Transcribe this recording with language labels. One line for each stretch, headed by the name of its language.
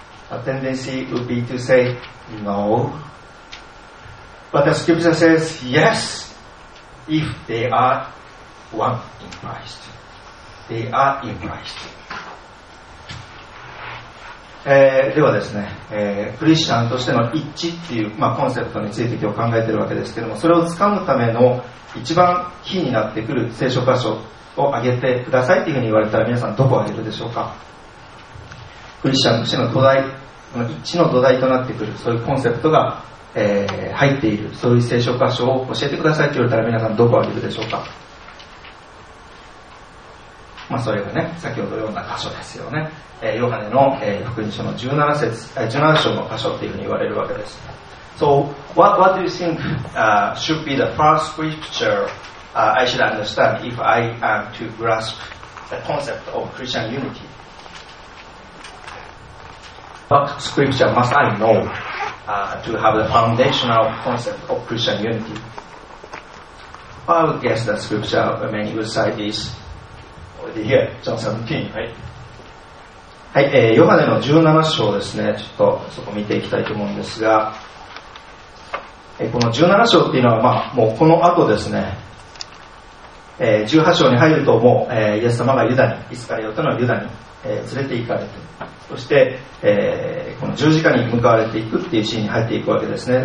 English: Our tendency would be to say, no. But the scripture says, yes. If they are one in Christ, they are in Christ.
Japanese: ではですね、クリスチャンとしての一致っていう、まあ、コンセプトについて今日考えているわけですけれども、それをつかむための一番キーになってくる聖書箇所を挙げてくださいっていうふうに言われたら、皆さんどこを挙げるでしょうか。クリスチャンとしての土台、この一致の土台となってくる、そういうコンセプトが入っている、そういう聖書箇所を教えてくださいと言われたら、皆さんどこを挙げるでしょうか。まあ、それがね、先ほど読んだ箇所ですよね。ヨハネの、福音書の17節、17章の箇所というふうに言われるわけです。
English: So, what do you think, should be the first scripture, I should understand if I am to grasp the concept of Christian unity? What scripture must I know? To have the foundational concept of Christian unity. I would guess the scripture many would cite is already here, John 17, right?
Japanese: はい、ヨハネの17章ですね、ちょっとそこ見ていきたいと思うんですが、この17章っていうのは、まあ、もうこの後ですね、 18章に入るともう、イエス様がユダに、イスカリオテのユダに、連れて行かれて、そして、この十字架に向かわれていくっていうシーンに入っていくわけですね。